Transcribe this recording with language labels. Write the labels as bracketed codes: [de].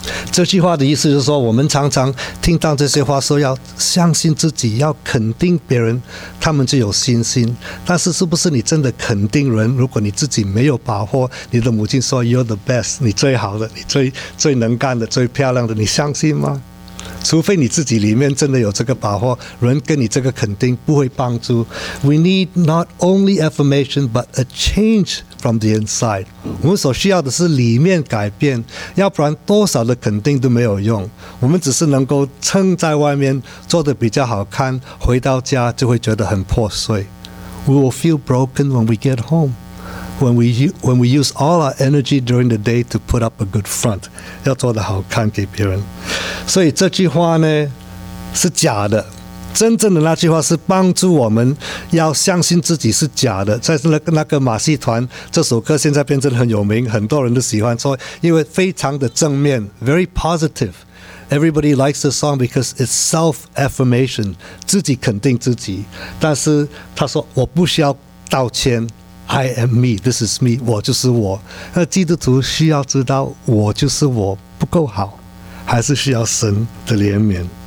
[zh] 这句话的意思就是说，我们常常听到这些话，说要相信自己，要肯定别人，他们就有信心。但是，是不是你真的肯定人？如果你自己没有把握，你的母亲说 [en] "You're the best"， [zh] 你最好的，你最能干的，最漂亮的，你相信吗？除非你自己里面真的有这个把握，人跟你这个肯定不会帮助。 [en] We need not only affirmation, but a change from the inside. [zh] 我们所需要的是里面改变，要不然多少的肯定都没有用。我们只是能够撑在外面，做得比较好看，回到家就会觉得很破碎。 [en] We will feel broken when we get home. When we use all our energy during the day to put up a good front, [zh] 要做得好看给别人。所以这句话呢是假的，真正的那句话是帮助我们要相信自己是假的。在那个马戏团这首歌现在变成很有名，很多人都喜欢说，因为非常的正面 ， [en] very positive. Everybody likes the song because it's self-affirmation, [zh] 自己肯定自己。但是他说我不需要道歉。 [en] I am me, this is me, [zh] 我就是我。那基督徒需要知道我就是我不够好，还是需要神的怜悯。